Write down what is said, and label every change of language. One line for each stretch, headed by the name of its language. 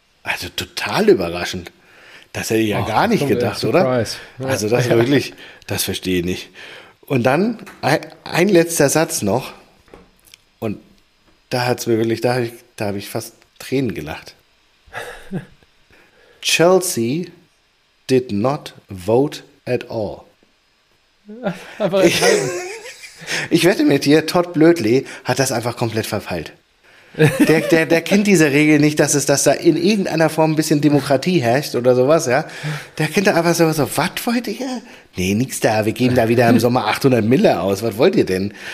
German: Also total überraschend. Das hätte ich ja gar nicht gedacht, oder?
English: Surprise.
German: Ja. Also das wirklich, das verstehe ich nicht. Und dann ein letzter Satz noch. Und da hat es mir wirklich, da habe ich fast Tränen gelacht.
English: Chelsea did not vote at all.
German: Einfach enthalten. Ich wette mit dir, Todd Blödley hat das einfach komplett verfeilt. Der kennt diese Regel nicht, dass da in irgendeiner Form ein bisschen Demokratie herrscht oder sowas, ja. Der kennt da einfach so, was wollt ihr? Nee, nix da, wir geben da wieder im Sommer 800 Mille aus, was wollt ihr denn?